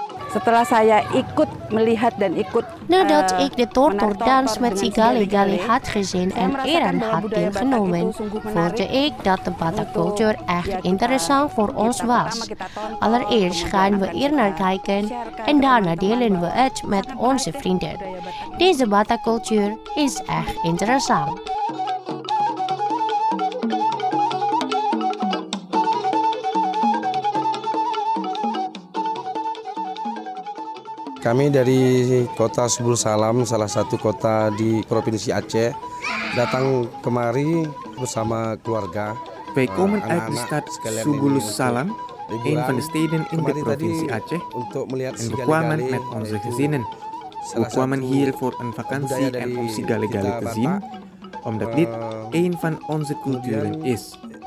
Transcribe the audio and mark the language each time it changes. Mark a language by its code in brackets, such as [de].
[id] Setelah saya ikut melihat dan ikut [nl] nadat ik de tortor dans met Sigaligali had gezien en eraan had deelgenomen, voelde ik dat de Batak cultuur echt interessant voor ons was. Allereerst gaan we hier naar kijken en daarna delen we het met onze vrienden. Deze Batak cultuur is echt interessant. [id] Kami dari kota Subul Salam, salah satu kota di Provinsi Aceh, datang kemari bersama keluarga. [nl] Wij komen uit de stad Subul Salam, een van de steden in de Provinsi Aceh, en we kwamen met onze gezinnen. We kwamen hier voor een vakantie en om Sigaligali te zien, omdat dit een van onze culturen is.